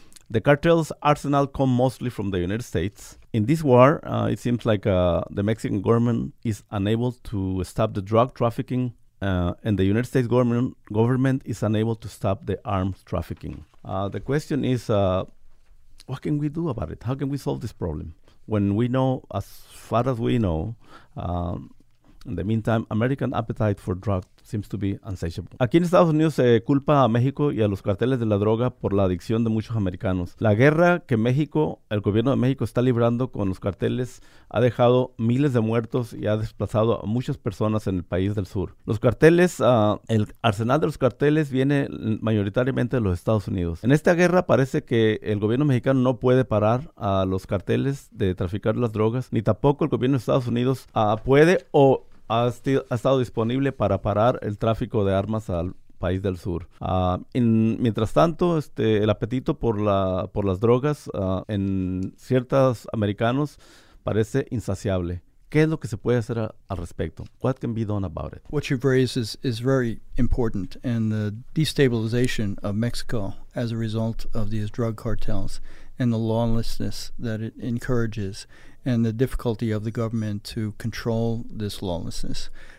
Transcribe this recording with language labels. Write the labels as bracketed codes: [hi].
[en] The cartels' arsenal come mostly from the United States. In this war, it seems like the Mexican government is unable to stop the drug trafficking, and the United States government is unable to stop the arms trafficking. The question is, what can we do about it? How can we solve this problem? When we know, as far as we know, in the meantime, American appetite for drugs seems to be insatiable. [es] Aquí en Estados Unidos se culpa a México y a los carteles de la droga por la adicción de muchos americanos. La guerra que México, el gobierno de México, está librando con los carteles ha dejado miles de muertos y ha desplazado a muchas personas en el país del sur. Los carteles, el arsenal de los carteles viene mayoritariamente de los Estados Unidos. En esta guerra parece que el gobierno mexicano no puede parar a los carteles de traficar las drogas, ni tampoco el gobierno de Estados Unidos puede o ha estado disponible para parar el tráfico de armas al país del sur. Mientras tanto, el apetito por las drogas en ciertos americanos parece insaciable. ¿Qué es lo que se puede hacer al respecto? [en] What can be done about it? What you've raised is very important, and the destabilization of Mexico as a result of these drug cartels and the lawlessness that it encourages and the difficulty of the government to control this lawlessness.